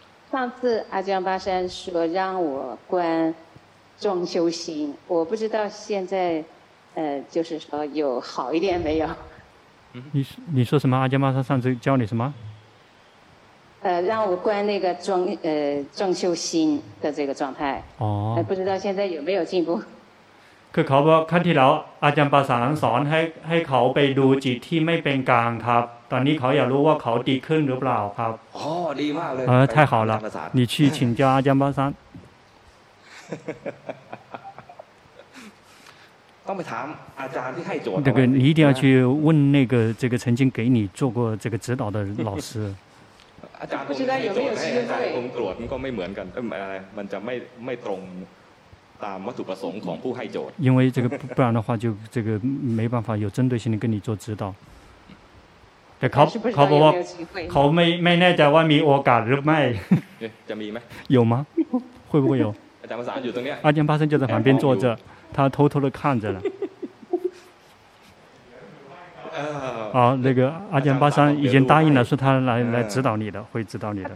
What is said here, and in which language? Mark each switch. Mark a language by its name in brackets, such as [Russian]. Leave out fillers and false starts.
[Chinese] 上次阿占巴三说让我观众修行我不知道现在就是说有好一点没有你说什么阿占巴三上次教你什么让我观那个众修心的这个状态哦不知道现在有没有进步 [Thai] คือเขาบอกครั้งที่แล้วอาจารย์ปาสานสอนให้เขาไปดูจิตที่ไม่เป็นกลางครับตอนนี้เขาอยากรู้ว่าเขาดีขึ้นหรือเปล่าครับ อ๋อดีมากเลย [Chinese] 太好了你去请教อาจารย์ปาสาน [Thai] ต้องไปถามอาจารย์ที่ให้โจท [Chinese] ย์那个你一定要去问那个这个曾经给你做过这个指导的老师 [Thai] อาจารย์ผมไม่ได้ตรวจให้อาจารย์ผมตรวจมันก็ไม่เหมือนกันมันจะไม่ตรงตามวัตถุประสงค์ของผู้ให้โจทย์ [Chinese] 因为这个不然的话就这个没办法有针对性的跟你做指导 [Thai] แต่เขาบอกว่าเขาไม่แน่ใจว่ามีโอกาสหรือไม่จะมีไหม [Chinese] 有吗会不会有 [Thai] อาจารย์ภาษาอยู่ตรงเนี้ย อาจารย์ภาษาอยู่ [Chinese] 在旁边坐着他偷偷的看着了哦，那个阿占巴三已经答应了，说他来指导你的，会指导你的。